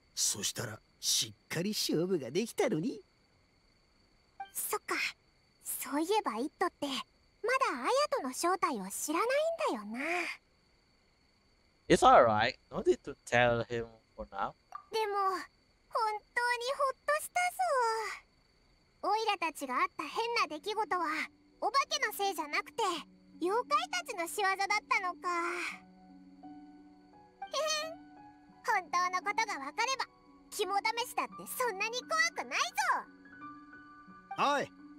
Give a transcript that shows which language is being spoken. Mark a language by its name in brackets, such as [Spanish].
[Japanese] そしたらしっかり勝負ができたのに。そっか、そういえばイットってまだアヤトの正体を知らないんだよな。 [English] It's alright, no need to tell him for now. [Japanese] でも本当にホッとしたぞ。オイラたちがあった変な出来事はお化けのせいじゃなくて妖怪たちの仕業だったのか。へへん、本当のことが分かれば肝試しだってそんなに怖くないぞ。